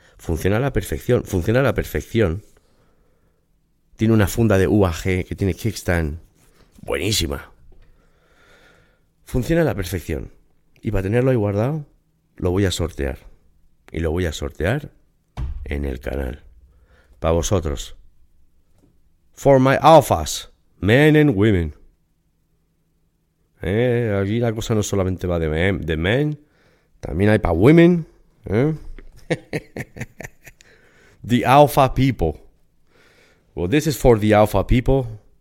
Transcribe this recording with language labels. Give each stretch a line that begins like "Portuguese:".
Spanish: funciona a la perfección. Funciona a la perfección. Tiene una funda de UAG que tiene kickstand. Buenísima. Funciona a la perfección. Y para tenerlo ahí guardado, lo voy a sortear. Y lo voy a sortear en el canal. Para vosotros.
English: For my alphas, men and women.
Spanish: Aquí la cosa no solamente va de men, también hay para women.
English: The alpha people. Well, this is for the alpha people.